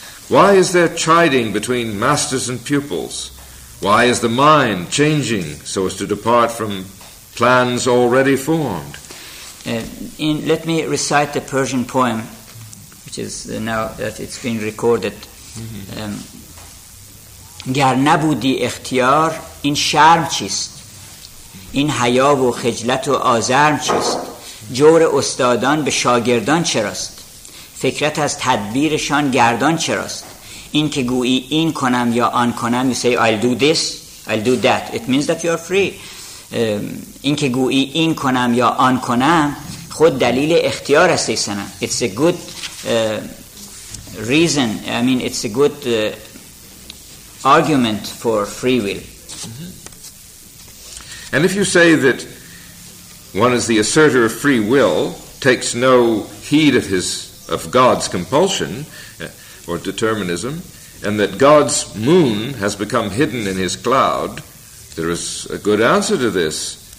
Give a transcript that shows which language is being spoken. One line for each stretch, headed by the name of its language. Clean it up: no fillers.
English: Why is there chiding between masters and pupils? Why is the mind changing so as to depart from plans already formed? Let me recite the Persian poem, which is now that it's been recorded.
Persian: گر نبودی اختیار این شرم چیست؟ این حیا و خجلت و آزرم چیست؟ جور استادان به شاگردان چراست؟ فکرت از تدبیرشان گردان چراست؟ این که گویی این کنم یا آن کنم.
English: You say I'll do this, I'll do that. It means that you are free.
Persian: این که گویی این کنم یا آن کنم خود دلیل اختیار است.
English: It's a good reason. I mean, it's a good argument for free will. And if you say that one is the asserter of free will, takes no heed of God's compulsion or determinism, and that God's moon has become hidden in his cloud, there is a good answer to this.